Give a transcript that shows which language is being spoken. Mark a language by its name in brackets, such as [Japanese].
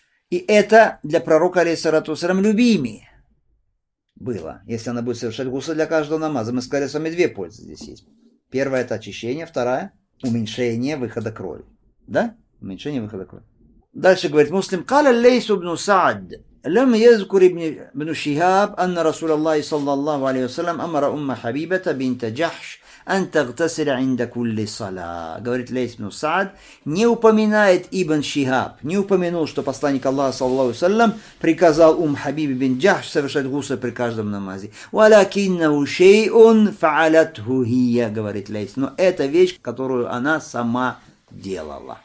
[Russian] И это для пророка, алейхиссалату вассалям, любимее было. Если она будет совершать гусль для каждого намаза, мы сказали, с вами две пользы здесь есть. Первая – это очищение, вторая – уменьшение выхода крови. Да? Уменьшение выхода крови. Дальше говорит муслим, [Arabic] «Каля лейсу бну Саад». لم يذكر ابن شهاب أن رسول الله صلى الله عليه وسلم أمر أم حبيبة بنت جحش أن تغتسل عند كل صلاة. [Russian] Говорит Лейс бин Саад, не упоминает Ибн Шихаб, не упомянул, что посланник Аллаха صلى الله عليه وسلم приказал ум Хабиби бин Джахш совершать гусль при каждом намазе. [Arabic] ولكنه شيء فعلته هي, [Russian] говорит Лейс, но это вещь, которую она сама делала.